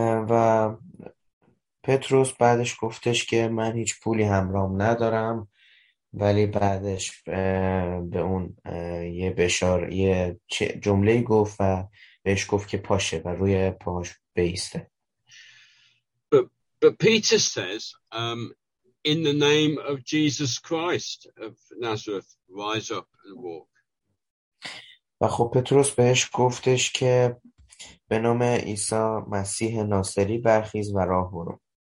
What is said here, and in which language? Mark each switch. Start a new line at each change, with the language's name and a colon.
Persian: و پتروس بعدش گفتش که من هیچ پولی همراهم ندارم، ولی بعدش به اون یه بشار یه جمله گفت و بهش گفت که پاشه و روی پاش بیسته.
English: But Peter says, in the name of Jesus Christ of Nazareth, rise up and walk.
Persian: و خب پتروس بهش گفتش که به نام عیسی مسیح ناصری برخیز و راه برو.